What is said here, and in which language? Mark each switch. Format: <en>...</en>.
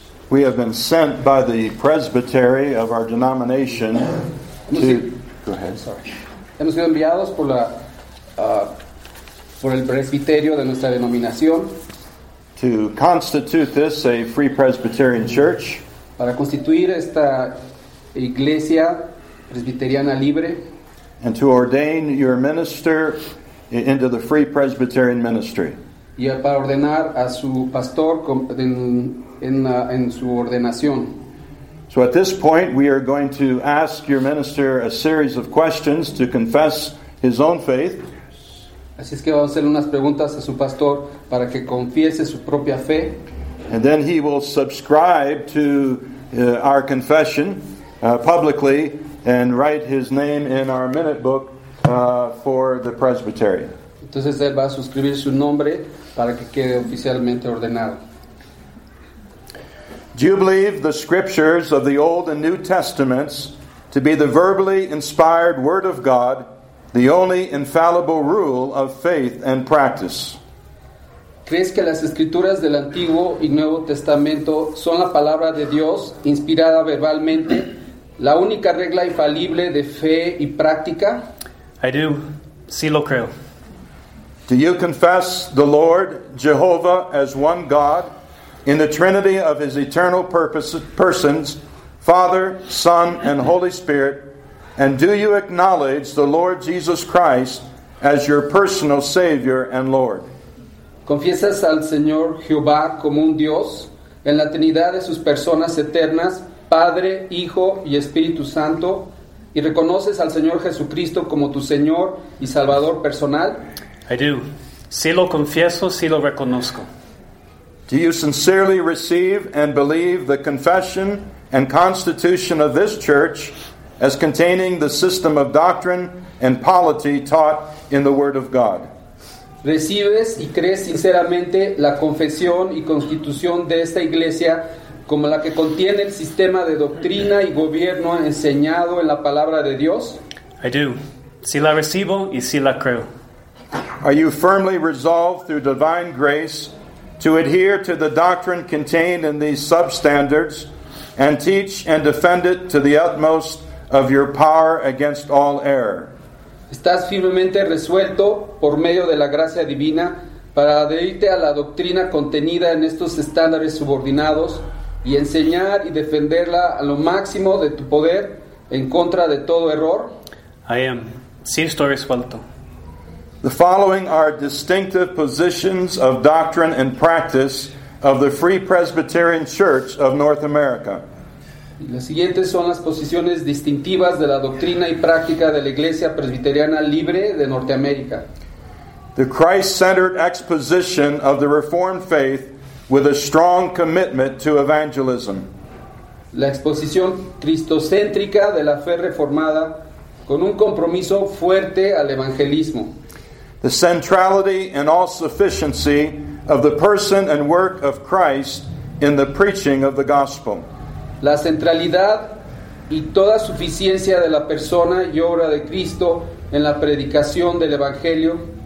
<en>We have been sent by the presbytery of our denomination to. Go ahead. Sorry.</en> <es>Hemos sido enviados por la por el presbiterio de nuestra denominación.</es> <en>To constitute this a free Presbyterian church.</en> <es>Para constituir esta iglesia presbiteriana libre.</es> <en>And to ordain your minister into the free Presbyterian ministry.</en> <es>Y para ordenar a su pastor en su ordenación.</es> <en>So at this point we are going to ask your minister a series of questions to confess his own faith.</en> <es>Así es que vamos a hacer unas preguntas a su pastor para que confiese su propia fe.</es> <en>And then he will subscribe to our confession publicly and write his name in our minute book for the presbytery.</en> <es>Entonces él va a suscribir su nombre para que quede oficialmente ordenado.</es> <en>Do you believe the scriptures of the Old and New Testaments to be the verbally inspired word of God, the only infallible rule of faith and practice?</en> <es>¿Crees que las escrituras del Antiguo y Nuevo Testamento son la palabra de Dios inspirada verbalmente, la única regla infalible de fe y práctica?</es> <en>I do.</en> <es>Sí lo creo.</es> <en>Do you confess the Lord Jehovah as one God in the Trinity of His eternal persons, Father, Son, and Holy Spirit? And do you acknowledge the Lord Jesus Christ as your personal Savior and Lord?</en> <es>¿Confiesas al Señor Jehová como un Dios en la Trinidad de sus personas eternas, Padre, Hijo y Espíritu Santo? ¿Y reconoces al Señor Jesucristo como tu Señor y Salvador personal?</es> <en>I do.</en> <es>Sí lo confieso, sí lo reconozco.</es> <en>Do you sincerely receive and believe the confession and constitution of this church as containing the system of doctrine and polity taught in the Word of God?</en> <es>¿Recibes y crees sinceramente la confesión y constitución de esta iglesia como la que contiene el sistema de doctrina y gobierno enseñado en la palabra de Dios?</es> <en>I do.</en> <es>Sí la recibo y sí la creo.</es> <en>Are you firmly resolved through divine grace to adhere to the doctrine contained in these substandards and teach and defend it to the utmost of your power against all error?</en> <es>¿Estás firmemente resuelto por medio de la gracia divina para adherirte a la doctrina contenida en estos estándares subordinados y enseñar y defenderla a lo máximo de tu poder en contra de todo error?</es> <en>I am.</en> <es>Sí, estoy resuelto.</es> <en>The following are distinctive positions of doctrine and practice of the Free Presbyterian Church of North America.</en> <es>Las siguientes son las posiciones distintivas de la doctrina y práctica de la Iglesia Presbiteriana Libre de Norteamérica.</es> <en>The Christ-centered exposition of the Reformed faith with a strong commitment to evangelism.</en> <es>La exposición cristocéntrica de la fe reformada con un compromiso fuerte al evangelismo.</es> <en>The centrality and all sufficiency of the person and work of Christ in the preaching of the gospel.</en> <es>La centralidad y toda suficiencia de la persona y obra de Cristo en la predicación del evangelio.</es>